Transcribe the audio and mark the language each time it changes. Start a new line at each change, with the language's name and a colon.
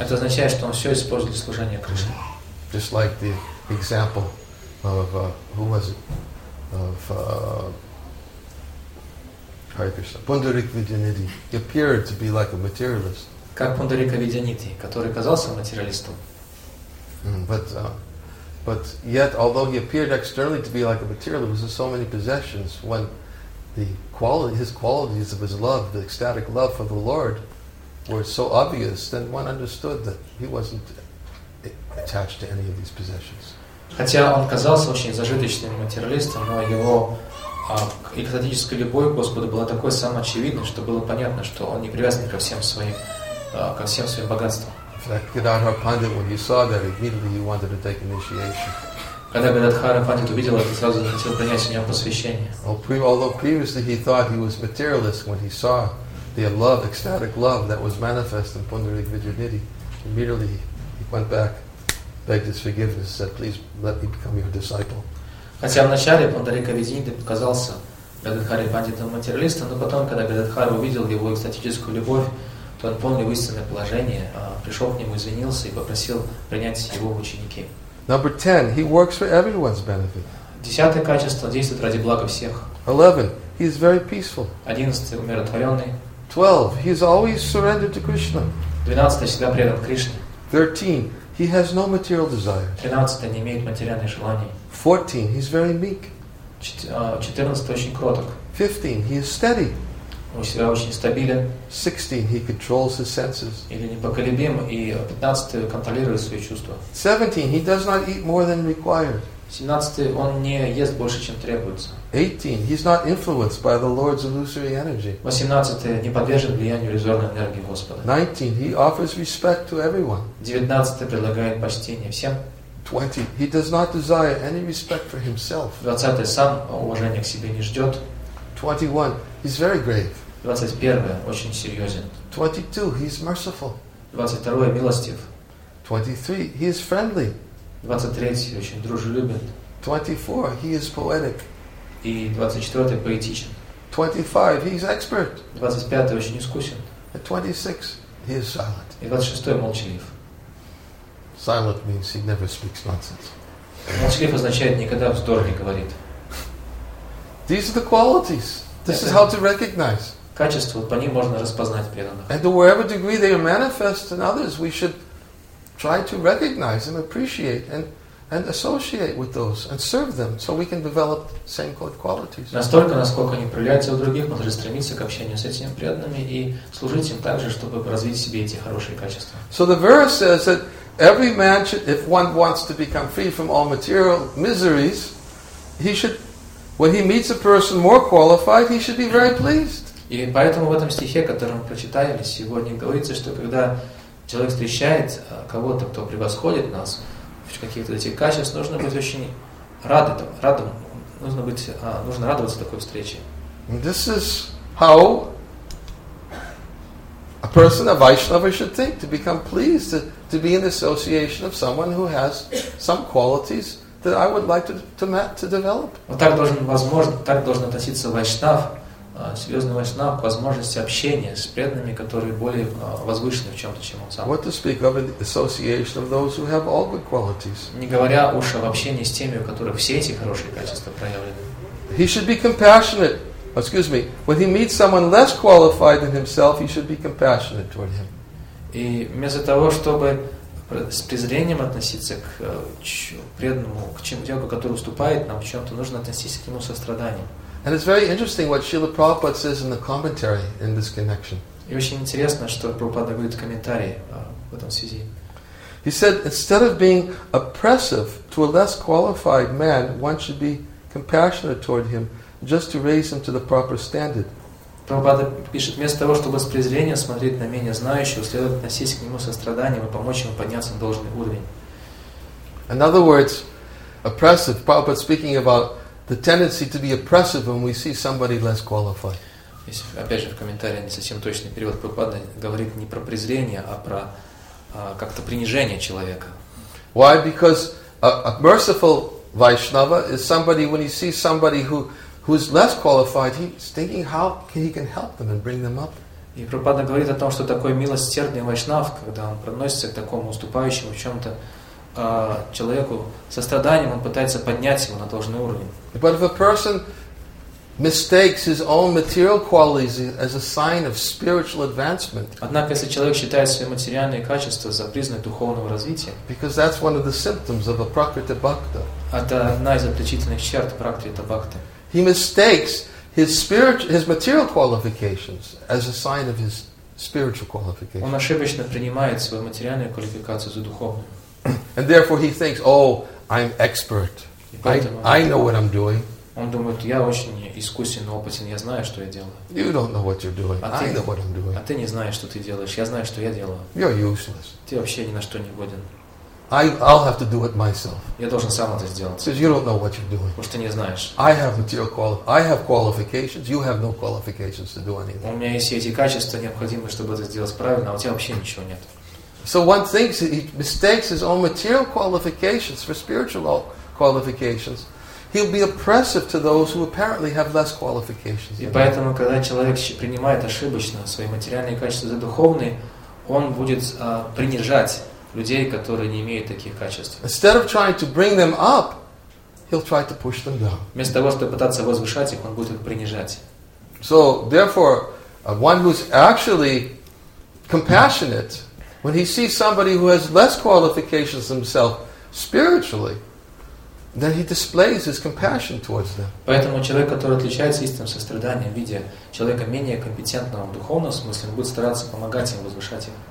Russian: Это означает, что он все использует для служения Кришне.
English: Just like the example of who was it? Of Hare Krishna. Пундарика Видьяниди. He appeared to be like a materialist.
Russian: Как Пундарика Видьяниди, который казался материалистом.
English: But yet, although he appeared externally to be like a materialist with so many possessions, when the quality, his qualities of his love, the ecstatic love for the Lord, were so obvious, then one understood that he wasn't attached to any of these possessions.
Russian: Хотя он казался очень зажиточным материалистом, но его экстатическая любовь к Господу была такой самоочевидной, что было понятно, что он не привязан ко всем своим богатствам.
English: Gadadhar Pandit, when he saw that, immediately he wanted to take initiation.
Russian: Когда Гададхара Пандит увидел это, сразу захотел принять в нем посвящение.
English: Although previously he thought he was materialist, when he saw the love, ecstatic love that was manifest in Pundarik Vidyaniti, immediately he went back, begged his forgiveness, said, "Please let me become your disciple."
Russian: Хотя вначале Пундарика Видьяниди показался Гададхаре Пандитом материалистом, но потом, когда Гададхара увидел его экстатическую любовь, то он понял его истинное положение, пришел к нему, извинился и попросил принять его в ученики.
English: Number 10. He works for everyone's benefit.
Russian: Десятое качество. Действует ради блага всех.
English: 11. He is very peaceful.
Russian: Одиннадцатый. Умиротворенный.
English: 12. He is always surrendered to Krishna.
Russian: Двенадцатый. Всегда предан Кришне.
English: 13. He has no material desires.
Russian: Тринадцатый. Не имеет материальных желаний.
English: 14. He is very meek.
Russian: 14. Очень кроток.
English: 15. He is steady.
Russian: Он всегда очень стабилен.
English: 16. He controls his senses.
Russian: Или непоколебим. И 15. Контролирует свои чувства.
English: 17. He does not eat more than required.
Russian: 17. Он не ест больше, чем требуется.
English: 18. He's not influenced by the Lord's illusory energy.
Russian: 18. Не подвержен влиянию иллюзорной энергии Господа.
English: 19. He offers respect to everyone.
Russian: 19. Предлагает почтение всем.
English: 20. He does not desire any respect for himself.
Russian: 20. Сам уважения к себе не ждет.
English: 21. He's very grave.
Russian: 21. Очень серьезен.
English: 22. He's merciful.
Russian: 22. Милостив.
English: 23. He is friendly.
Russian: 23. Очень дружелюбен.
English: 24. He is poetic.
Russian: И 24. Поэтичен.
English: 25. He is expert.
Russian: 25. Очень искусен.
English: And 26. He is silent.
Russian: И 26. Молчалив.
English: Silent means he never speaks nonsense.
Russian: Молчалив означает никогда вздор не говорит.
English: These are the qualities. This is how to recognize.
Russian: Качества, по ним можно распознать преданных.
English: And to whatever degree they are manifest in others, we should try to recognize and appreciate and associate with those and serve them so we can develop same good qualities.
Russian: Настолько, насколько они проявляются у других, мы должны стремиться к общению с этими преданными и служить им также, чтобы развить в себе эти хорошие качества.
English: So the verse says that every man should, if one wants to become free from all material miseries, he should. When he meets a person more qualified, he should be very pleased.
Russian: И поэтому в этом стихе, который мы прочитали сегодня, говорится, что когда человек встречает кого-то, кто превосходит нас в каких-то этих качествах, нужно быть очень радым. Нужно радоваться такой встрече.
English: This is how a person, a Vaishnava, should think, to become pleased, to be in association of someone who has some qualities that I would like to develop.
Russian: Вот так должен относиться вайшнав, серьезный вайшнав, к возможности общения с преданными, которые более возвышены в чем-то, чем он сам.
English: What to speak of in the association of those who have all good qualities.
Russian: Не говоря уж об общении с теми, у которых все эти хорошие качества проявлены.
English: He should be compassionate. Excuse me. When he meets someone less qualified than himself, he should be compassionate toward him.
Russian: И вместо того, чтобы с презрением относиться к преданному, к человеку, который уступает нам в чем-то, нужно относиться к нему со страданием.
English: And it's very interesting what Srila Prabhupada says in the commentary in this connection.
Russian: И очень интересно, что Прабхупада говорит комментарии в этом связи.
English: He said, instead of being oppressive to a less qualified man, one should be compassionate toward him, just to raise him to the proper standard.
Russian: Прабхупада пишет, вместо того, чтобы с презрением смотреть на менее знающего, следует относиться к нему со страданием и помочь ему подняться на должный уровень.
English: In other words, oppressive. Prabhupada speaking about the tendency to be oppressive when we see somebody less qualified.
Russian: Если, опять же, в комментарии не совсем точный перевод, Прабхупада говорит не про презрение, а про как-то принижение человека.
English: Why? Because a merciful Vaishnava is somebody, when he sees somebody who is less qualified, he's thinking how he can help them and bring them up.
Russian: И Прабхупада говорит о том, что такой милосердный Вайшнав, когда он проносится к такому уступающему в чем-то человеку со страданием, он пытается поднять его на должный уровень.
English: But if a person mistakes his own material qualities as a sign of spiritual advancement.
Russian: Однако, если человек считает свои материальные качества за признак духовного развития,
English: because that's one of the symptoms of a prakriti bhakta.
Russian: Это одна из отличительных черт пракрита бхакты.
English: He mistakes his material qualifications as a sign of his spiritual qualifications.
Russian: Он ошибочно принимает свою материальную квалификацию за духовную.
English: And therefore he thinks, oh, I'm expert. I know what I'm doing.
Russian: Он думает, я очень искусен, опытен, я знаю, что я делаю.
English: You don't know what you're doing. I know what I'm doing.
Russian: А ты не знаешь, что ты делаешь. Я знаю, что я делаю.
English: You're useless.
Russian: Ты вообще ни на что не годен.
English: I'll have to do it myself.
Russian: Я должен сам это сделать.
English: Because you don't know what you're doing.
Russian: Потому что ты не знаешь.
English: I have qualifications. You have no qualifications to do anything.
Russian: У меня есть эти качества, необходимые, чтобы это сделать правильно, а у тебя вообще ничего нет.
English: So one thinks he mistakes his own material qualifications for spiritual qualifications. He'll be oppressive to those who apparently have less qualifications.
Russian: И поэтому, когда человек принимает ошибочно свои материальные качества за духовные, он будет принижать людей, которые не имеют таких качеств.
English: Instead of trying to bring them up, he'll try to push them down.
Russian: Вместо того, чтобы пытаться возвышать их, он будет их принижать.
English: So, therefore, one who's actually compassionate, when he sees somebody who has less qualifications himself spiritually, then he displays his compassion towards them.
Russian: Поэтому человек, который отличается истинным состраданием, видя человека менее компетентного в духовном смысле, он будет стараться помогать им, возвышать их.